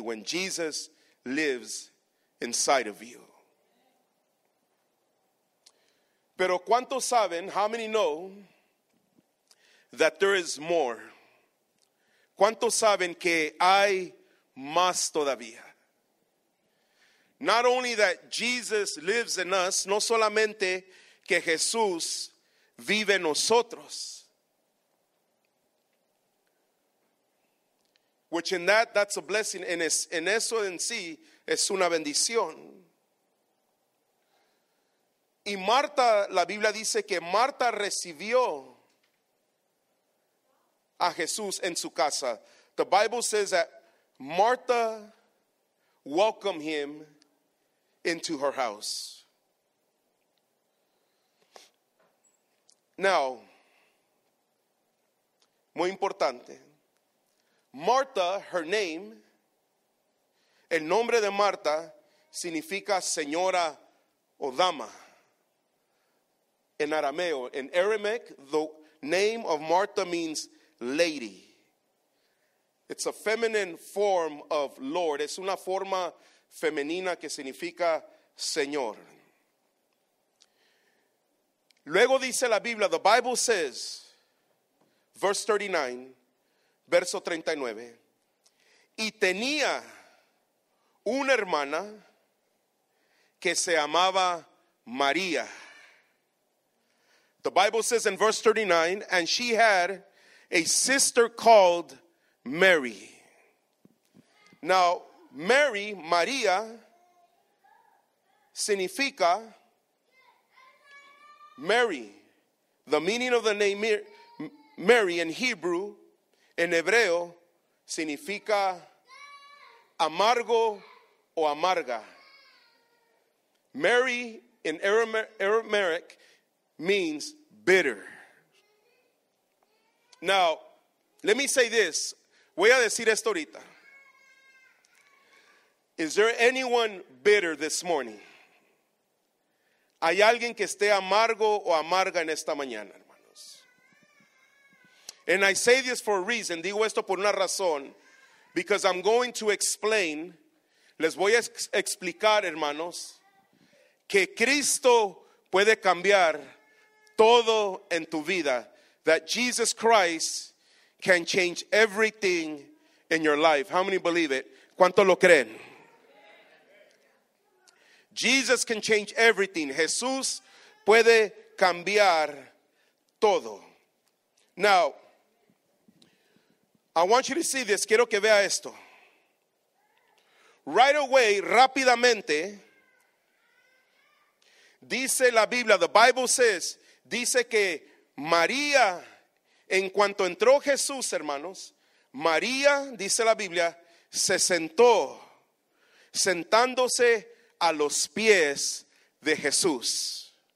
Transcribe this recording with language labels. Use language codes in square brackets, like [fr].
[en] When Jesus lives inside of you. [es] Pero ¿cuántos saben? [en] How many know that there is more? [es] ¿Cuántos saben que hay más todavía? [en] Not only that Jesus lives in us, [es] no solamente que Jesús vive en nosotros, [en] Which in that, that's a blessing. [es] En eso en sí, es una bendición. Y Marta, la Biblia dice que Marta recibió a Jesús en su casa. [en] The Bible says that Martha welcomed him into her house. Now, [es] muy importante. [en] Martha, her name, [es] el nombre de Marta significa señora o dama. En arameo, [en] in Aramaic, the name of Martha means lady. It's a feminine form of Lord. [es] Es una forma femenina que significa señor. Luego dice la Biblia, [en] the Bible says, verse 39, [es] verso 39, y tenía una hermana que se llamaba María. [en] The Bible says in verse 39, and she had a sister called Mary. Now, Mary, María, [es] significa [en] Mary. The meaning of the name Mary in Hebrew, [es] en Hebreo, significa amargo o amarga. [en] Mary in Aramaic means bitter. Now, let me say this. [es] Voy a decir esto ahorita. [en] Is there anyone bitter this morning? [es] ¿Hay alguien que esté amargo o amarga en esta mañana, hermanos? [en] And I say this for a reason. [es] Digo esto por una razón. [en] Because I'm going to explain. [es] Les voy a explicar, hermanos, que Cristo puede cambiar todo en tu vida. [en] That Jesus Christ can change everything in your life. How many believe it? [es] ¿Cuánto lo creen? [en] Jesus can change everything. [es] Jesús puede cambiar todo. [en] Now, I want you to see this. [es] Quiero que vea esto. [en] Right away, [es] rápidamente, dice la Biblia, [en] the Bible says, [es] dice que María, en cuanto entró Jesús, hermanos, María, dice la Biblia, se sentó, sentándose a los pies de Jesús.